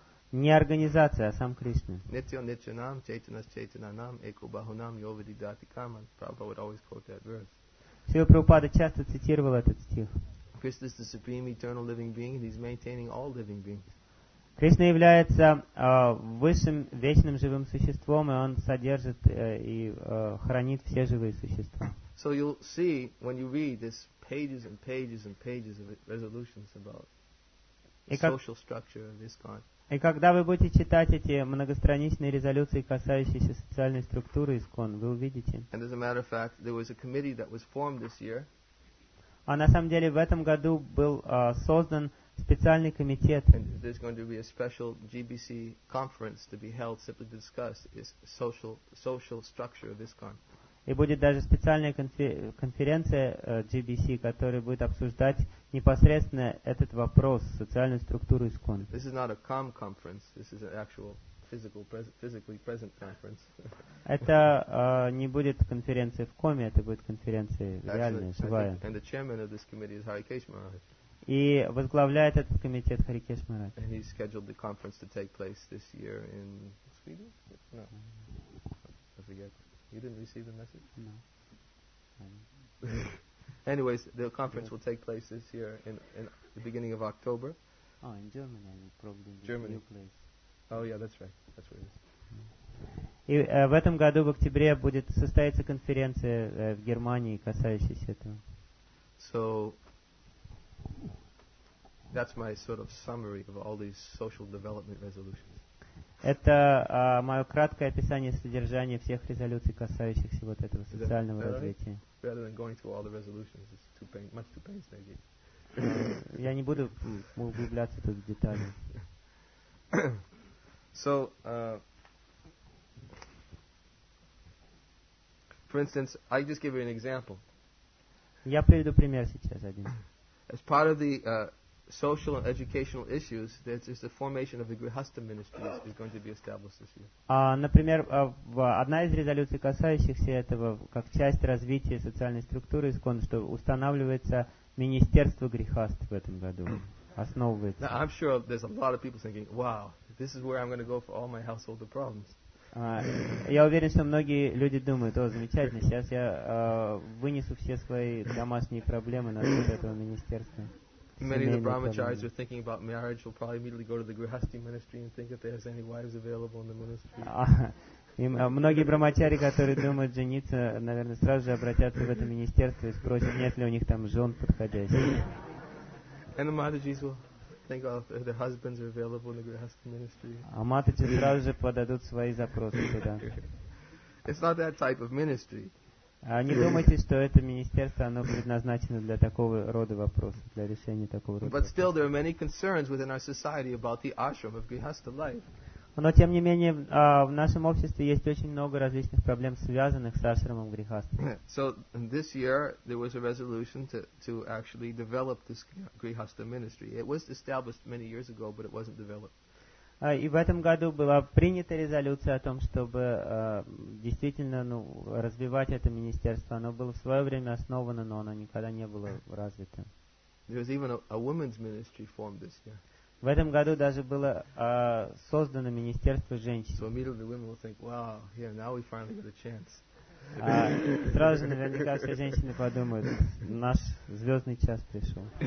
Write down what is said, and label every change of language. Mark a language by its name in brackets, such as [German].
[Russian] Не организация, а сам Кришна. [Sanskrit] Нитьо нитьянам, чайтанас чайтананам, эко бахунам, йовиди дати каман. [English] Prabhupada would always quote that verse. [Russian] Шрила Прабхупада часто цитировал этот стих. [English] Krishna is the supreme eternal living being and he's maintaining all living beings. [Russian] Кришна является высшим вечным живым существом и он содержит хранит все живые существа. [English] So you'll see when you read this pages and pages and pages of resolutions about the social structure of this kind. [Russian] И когда вы будете читать эти многостраничные резолюции, касающиеся социальной структуры ИСККОН, вы увидите. [English] And as a matter of fact, there was a committee that was formed this year. [Russian] А на самом деле в этом году был создан специальный комитет. [English] And there's going to be a special GBC conference to be held simply to discuss this social structure of ISKCON. [Russian] И будет даже специальная конференция GBC, которая будет обсуждать непосредственно этот вопрос, социальную структуру ИСККОН. [English] This is not a calm conference. This is an actual physically present conference. [Russian] Это не будет конференция в коме, это будет конференция реальная, живая. [English] And the chairman of this committee is Hari Kesh Maharaj. [Russian] И возглавляет этот комитет Hari Kesh Maharaj. [English] And he scheduled the conference to take place this year in Sweden? No. I forget. You didn't receive the message? No. Anyways, the conference will take place this year in the beginning of October. Oh, in Germany, I mean, probably in Germany. The new place. Oh, yeah, that's right. That's where it is. [Russian] И в этом году, в октябре, будет состояться конференция в Германии, касающаяся этого. [English] So, that's my sort of summary of all these social development resolutions. [Russian] Это мое краткое описание содержания всех резолюций, касающихся вот этого социального развития. [English] Rather than going through all the resolutions, it's too pain, much too painstaking. [Russian] Я не буду углубляться тут в детали. [English] So, for instance, I just give you an example. [Russian] Я приведу пример сейчас один. [English] As part of the social and educational issues, that is the formation of the Grihastha ministry is going to be established this year. [Russian] Например, одна из резолюций, касающихся этого, как часть развития социальной структуры ИСККОН, что устанавливается министерство грехаств в этом году, основывается. [English] Now, I'm sure there's a lot of people thinking, wow, this is where I'm going to go for all my household problems. [Russian] Я уверен, что многие люди думают, о, замечательно, сейчас я вынесу все свои домашние проблемы на счет этого министерства. [English] Many of the brahmacharis are thinking about marriage will probably immediately go to the grihastha ministry and think if there is any wives available in the ministry. [Russian] Многие брахмачари, которые думают жениться, наверное, сразу же обратятся в это министерство и спросят, нет ли у них там жен подходящих. [English] And the Matajis will think about if their husbands are available in the grihastha ministry. [Russian] А матаджи сразу же подадут свои запросы туда. [English] It's not that type of ministry. [Russian] Не думайте, что это министерство, оно предназначено для такого рода вопросов, для решения такого рода. [English] But still, there are many concerns within our society about the ashram of grihastha life. [Russian] Но тем не менее, в нашем обществе есть очень много различных проблем, связанных с ашрамом грихастха. [English] So this year there was a resolution to actually develop this grihastha ministry. It was established many years ago, but it wasn't developed. [Russian] И в этом году была принята резолюция о том, чтобы действительно развивать это министерство. Оно было в свое время основано, но оно никогда не было развито. [English] There was even a women's ministry formed this year. [Russian] В этом году даже было создано министерство женщин. [English] So immediately women will think, wow, yeah, now we finally got a chance. [Russian] Сразу же наверняка все женщины подумают, наш звездный час пришел.